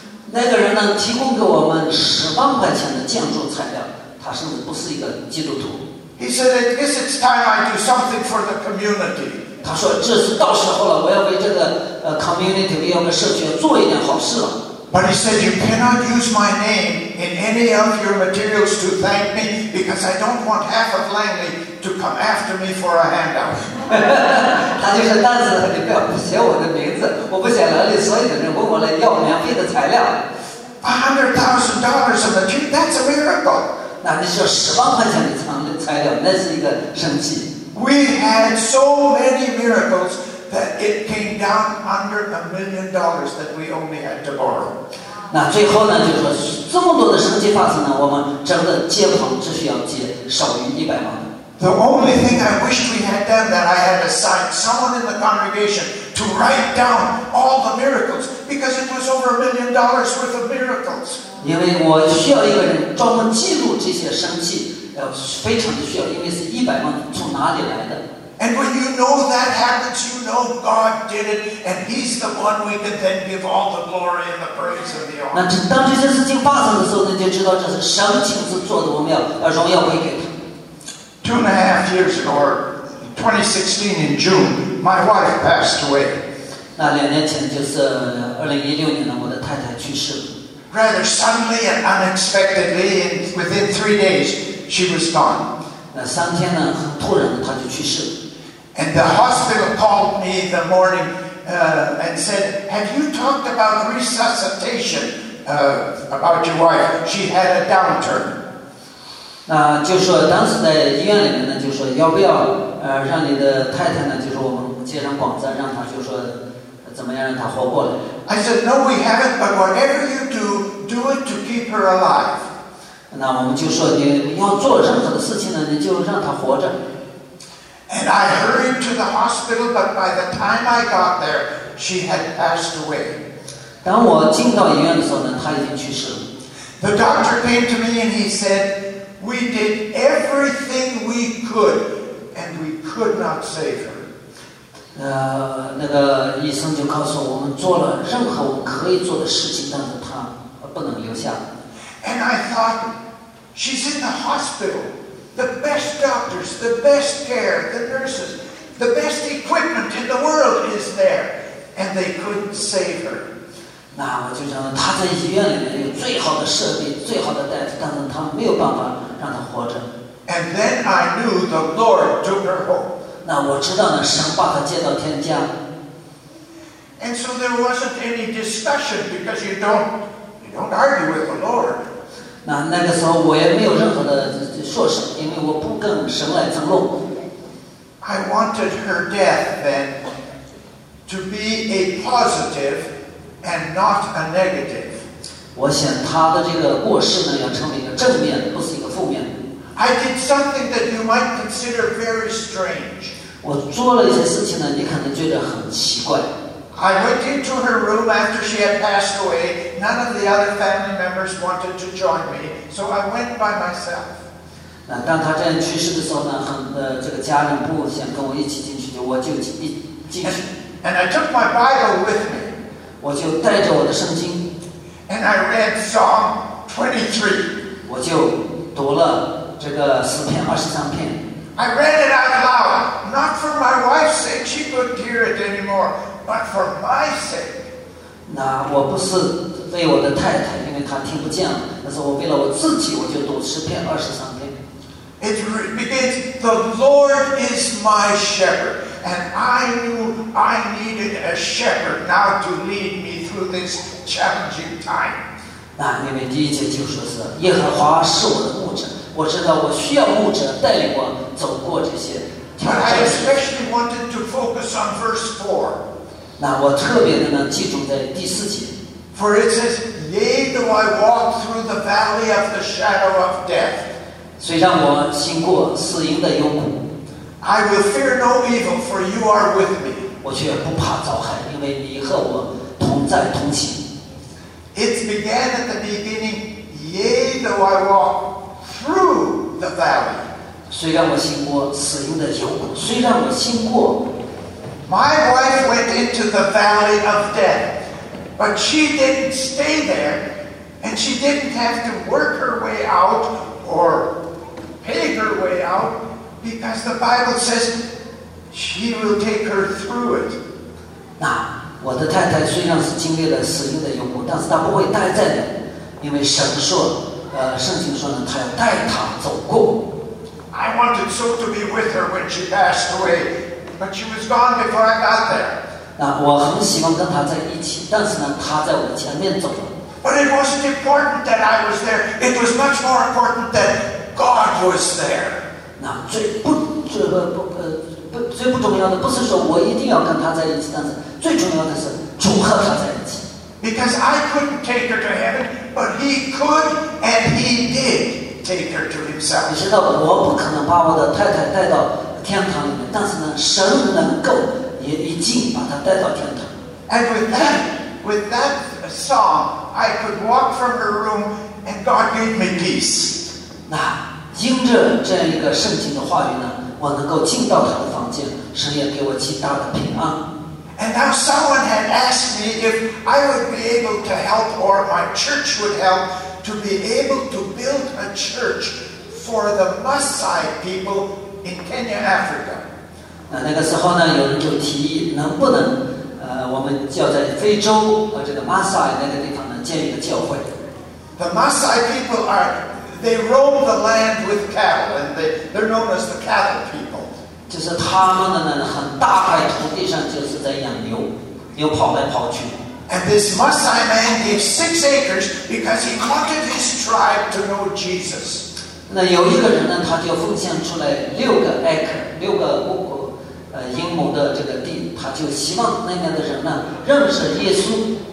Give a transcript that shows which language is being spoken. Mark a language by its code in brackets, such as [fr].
[zh] 那个人呢，提供给我们10万块钱的建筑材料，他甚至不是一个基督徒。 [en] He said, "I guess it's time I do something for the community." [zh] 他说，这是到时候了，我要为这个community， 为我们社区做一点好事了。 [en] But he said, "You cannot use my name in any of your materials to thank me, because I don't want half of Langley to come after me for a handout." [zh] 他就说，但是你不要写我的名字，我不写了，所以有人问我来要免费的材料。 [en] $100,000 of material, that's a miracle. [zh] 那你说10万块钱的材料，那是一个神奇。 [en] We had so many miracles that it came down under $1 million that we only had to borrow. [zh] 那最后呢，就是说这么多的生机法则呢，我们整个接棚只需要接少于100毛。 [en] The only thing I wish we had done that I had assigned someone in the congregation to write down all the miracles because it was over $1 million worth of miracles. [zh] 因为我需要一个人专门记录这些生气，非常的需要，因为是一百万从哪里来的。 [en] And when you know that happens, you know God did it, and He's the one we can then give all the glory and the praise and the honor. [zh] 那这当这些事情发生的时候，那就知道这是神亲自做的，我们要把荣耀归给他。 [en] Two and a half years ago, or 2016 in June, my wife passed away. [zh] 那两年前就是2016年呢，我的太太去世了。 [en] Rather suddenly and unexpectedly, and within 3 days, she was gone. [zh] 那三天呢，很突然的她就去世了。 [en] And the hospital called me in the morning, and said, "Have you talked about resuscitation, about your wife? She had a downturn." [zh] 那就说当时在医院里面呢，就说要不要让你的太太呢，就说我们接上广子，让她就说怎么样让她活过来。 [en] I said, "No, we haven't. But whatever you do, do it to keep her alive." [zh] 那我们就说你要做任何的事情呢，你就让她活着。 [en] And I hurried to the hospital, but by the time I got there, she had passed away. [zh] 当我进到医院的时候呢，她已经去世了。 [en] The doctor came to me and he said, "We did everything we could, and we could not save her." [zh] 那个医生就告诉我们做了任何我可以做的事情，但是她不能留下。 [en] And I thought, she's in the hospital. The best doctors, the best care, the nurses, the best equipment in the world is there. And they couldn't save her. [zh] 那我就想她在医院里面有最好的设备，最好的大夫，但是她没有办法让她活着。 [en] And then I knew the Lord took her home. [zh] 那我知道呢，神把她接到天家。 [en] And so there wasn't any discussion because you don't argue with the Lord. [zh] 那个时候我也没有任何的说什么，因为我不跟神来争论。 [en] I wanted her death then to be a positive and not a negative. [zh] 我想她的这个过世呢，要成为一个正面的，不是一个负面的。 [en] I did something that you might consider very strange. [zh] 我做了一些事情呢，你可能觉得很奇怪。 [en] I went into her room after she had passed away. None of the other family members wanted to join me, so I went by myself. [zh] 那当她这样去世的时候呢，这个家人不想跟我一起进去，我就一进去。 [en] And I took my Bible with me. [zh] 我就带着我的圣经。 [en] And I read Psalm 23. [zh] 我就读了这个诗篇23篇。 [en] I read it out loud, not for my wife's sake. She couldn't hear it anymore. But for my sake, [zh] 那我不是为我的太太，因为她听不见了。但是我为了我自己，我就读23篇。 [en] It begins, "The Lord is my shepherd, and I knew I needed a shepherd now to lead me through this challenging time." [zh] 那因为第一节就说是耶和华是我的牧者，我知道我需要牧者带领我走过这些挑战。 [en] But I especially wanted to focus on verse 4. [zh] 那我特别的呢，记住在第四节。 [en] For it says, "Yea, though I walk through the valley of the shadow of death." [zh] 虽然我行过死荫的幽谷。 [en] I will fear no evil, for you are with me. [zh] 我却不怕遭害，因为你和我同在同行。 [en] It began at the beginning, "Yea, though I walk through the valley." [zh] 虽然我行过死荫的幽谷，虽然我行过。 [en] My wife went into the valley of death, but she didn't stay there, and she didn't have to work her way out or pay her way out, because the Bible says she will take her through it. [zh] 那我的太太虽然是经历了死荫的幽谷，但是她不会待在那，因为神说，圣经说呢，她要带她走过。 [en] I wanted so to be with her when she passed away. But she was gone before I got there. [zh] 那我很喜欢跟她在一起，但是呢，她在我前面走了。 [en] But it wasn't important that I was there. It was much more important that God was there. [zh] 那最不重要的不是说我一定要跟她在一起，但是最重要的是主和她在一起。 [en] Because I couldn't take her to heaven, but he could and he did take her to himself. [zh] 你知道我不可能把我的太太带到天堂里面，但是呢，神能够也一进把她带到天堂。 [en] And with that song, I could walk from her room, and God gave me peace. [zh] 那因着这样一个圣经的话语呢，我能够进到她的房间，神也给我极大的平安。 [en] And now someone had asked me if I would be able to help or my church would help to be able to build a church for the Maasai people in Kenya, Africa. [zh] 那个时候呢，有人就提议能不能，我们就在非洲和这个 Maasai 那个地方呢建一个教会。 [en] The Maasai people they roam the land with cattle, and they're known as the cattle people. [zh] 就是他们的呢，很大块土地上就是在养牛，牛跑来跑去。 [en] And this Maasai man gave 6 acres because he wanted his tribe to know Jesus. [zh] 那有一个人呢，他就奉献出来六个公顷，英亩的这个地，他就希望那边的人呢认识耶稣。